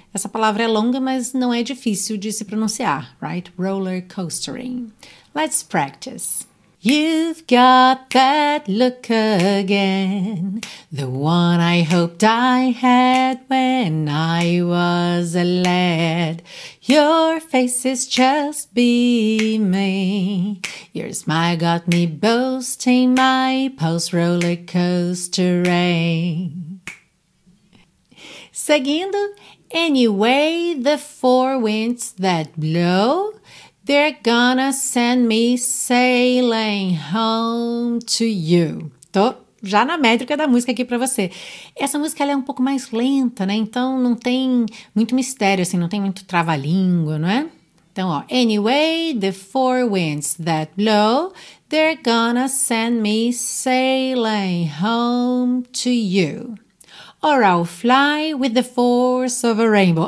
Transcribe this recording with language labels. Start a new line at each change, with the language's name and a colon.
Portuguese: Essa palavra é longa, mas não é difícil de se pronunciar,
English: right? Roller coastering. Let's practice. You've got that look again, the one I hoped I had when I was a lad. Your face is just beaming, your smile got me boasting my post-roller coastering.
Portuguese: Seguindo,
English: anyway, the four winds that blow, they're gonna send me sailing home to you.
Portuguese: Tô já na métrica da música aqui pra você. Essa música ela é um pouco mais lenta, né? Então não tem muito mistério, assim, não tem muito trava-língua, não é? Então, ó,
English: anyway, the four winds that blow, they're gonna send me sailing home to you. Or I'll fly with the force of a rainbow.